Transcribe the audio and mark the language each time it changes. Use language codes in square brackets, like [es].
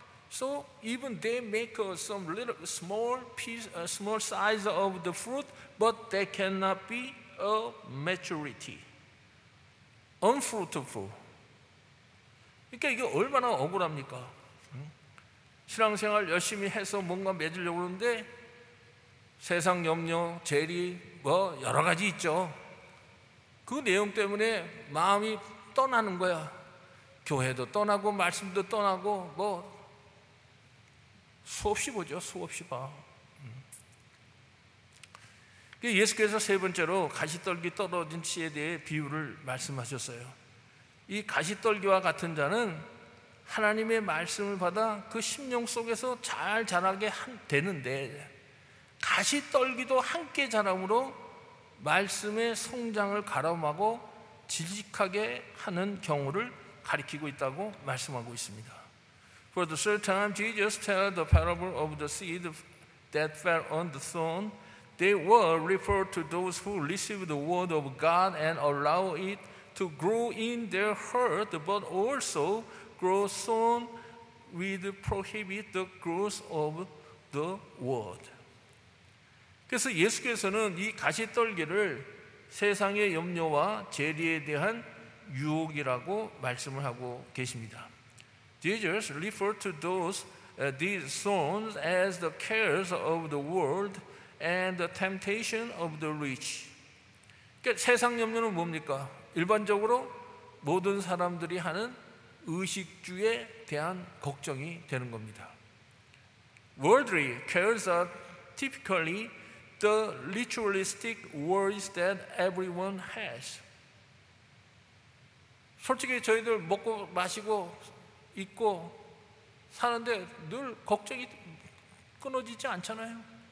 [en] So even they make some little small piece, a small size of the fruit, but they cannot be a maturity. Unfruitful. [ko] 그러니까 이게 얼마나 억울합니까? 신앙생활 열심히 해서 뭔가 맺으려고 하는데 세상 염려, 재리 뭐 여러 가지 있죠. 그 내용 때문에 마음이 떠나는 거야. 교회도 떠나고 말씀도 떠나고 뭐 수없이 보죠. 수없이 봐. 예수께서 세 번째로 가시떨기 떨어진 씨에 대해 비유를 말씀하셨어요. 이 가시떨기와 같은 자는 하나님의 말씀을 받아 그 심령 속에서 잘 자라게 되는데 가시떨기도 함께 자라므로 말씀의 성장을 가로막고 질직하게 하는 경우를 가리키고 있다고 말씀하고 있습니다. [en] For the third time, Jesus tells the parable of the seed that fell on the thorn. They were referred to those who received the word of God and allow it to grow in their heart, but also grow thorn with prohibit the growth of the word. [ko] 그래서 예수께서는 이 가시떨기를 세상의 염려와 재리에 대한 유혹이라고 말씀을 하고 계십니다. [en] Jesus referred to these thorns as the cares of the world and the temptation of the rich. [ko] 그러니까 세상 염려는 뭡니까? 일반적으로 모든 사람들이 하는 의식주에 대한 걱정이 되는 겁니다. [en] Worldly cares are typically the ritualistic worries that everyone has. [ko] 솔직히 저희들 먹고 마시고 입고 사는데 늘 걱정이 끊어지지 않잖아요.